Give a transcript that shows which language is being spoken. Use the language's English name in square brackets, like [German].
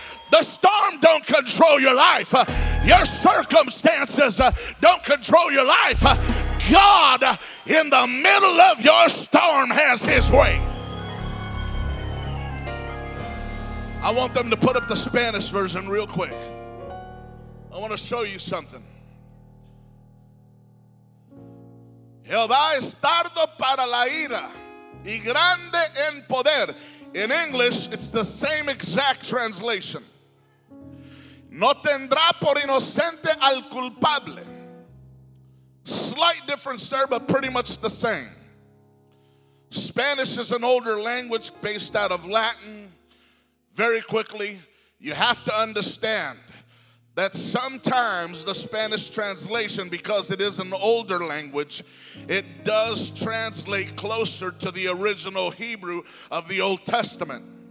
[English] The storm don't control your life. Your circumstances don't control your life. God, in the middle of your storm, has his way. I want them to put up the Spanish version real quick. I want to show you something. [Spanish] Jehová es tardo para la ira y grande en poder. [English] In English, it's the same exact translation. [Spanish] No tendrá por inocente al culpable. [English] Slight difference there, but pretty much the same. Spanish is an older language based out of Latin. Very quickly, you have to understand that sometimes the Spanish translation, because it is an older language, it does translate closer to the original Hebrew of the Old Testament.